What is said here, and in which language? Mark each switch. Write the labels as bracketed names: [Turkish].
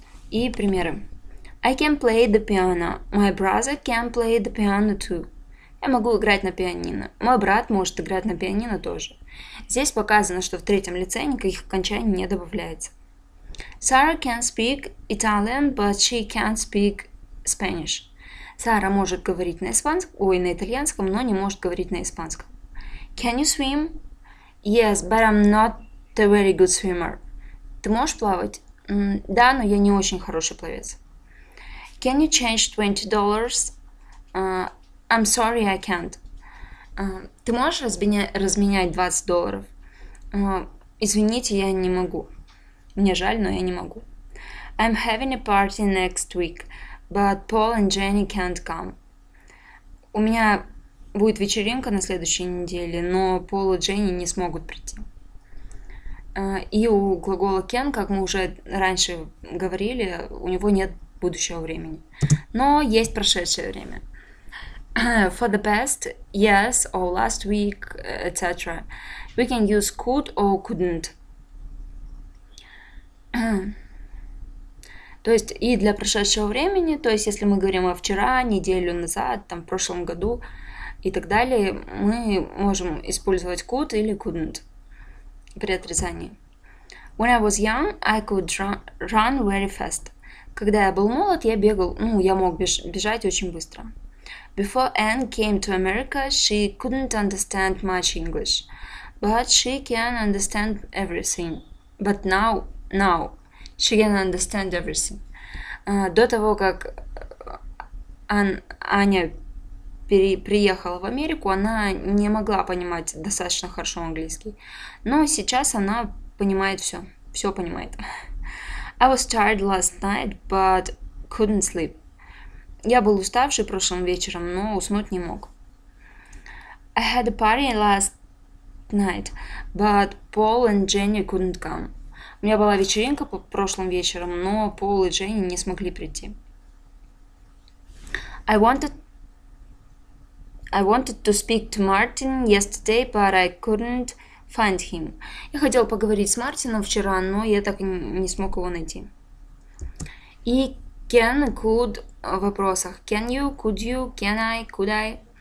[Russian] И примеры. [English] I can play the piano. My brother can play the piano too. [Russian] Я могу играть на пианино. Мой брат может играть на пианино тоже. Здесь показано, что в третьем лице никаких окончаний не добавляется. [English] Sarah can speak Italian, but she can't speak Spanish. [Russian] Сара может говорить на испанском, ой, на итальянском, но не может говорить на испанском. [English] Can you swim? Yes, but I'm not a very good swimmer. [Russian] Ты можешь плавать? Да, но я не очень хороший пловец. [English] Can you change $20? I'm sorry, I can't. [Russian] Ты можешь разменять $20? Извините, я не могу. Мне жаль, но я не могу. [English] I'm having a party next week. But Paul and Jenny can't come. [Russian] У меня будет вечеринка на следующей неделе, но Пол и Дженни не смогут прийти. И у глагола can, как мы уже раньше говорили, у него нет будущего времени. Но есть прошедшее время. [English] For the past, yes, or last week, etc. We can use could or couldn't. [Russian] То есть и для прошедшего времени, то есть если мы говорим о вчера, неделю назад, там, в прошлом году и так далее, мы можем использовать could или couldn't при отрицании. [English] When I was young, I could run very fast. [Russian] Когда я был молод, я бегал, ну, я мог бежать очень быстро. [English] Before Anne came to America, she couldn't understand much English. But she can understand everything. But now... She can understand everything. [Russian] До того, как Аня приехала в Америку, она не могла понимать достаточно хорошо английский. Но сейчас она понимает все. Все понимает. [English] I was tired last night, but couldn't sleep. [Russian] Я был уставший прошлым вечером, но уснуть не мог. [English] I had a party last night, but Paul and Jenny couldn't come. [Russian] У меня была вечеринка по прошлым вечером, но Пол и Дженни не смогли прийти. [English] I wanted to speak to Martin yesterday, but I couldn't find him. [Russian] Я хотел поговорить с Мартином вчера, но я так и не смог его найти. И can, could в вопросах. [English] Can you, could you, can I, could I?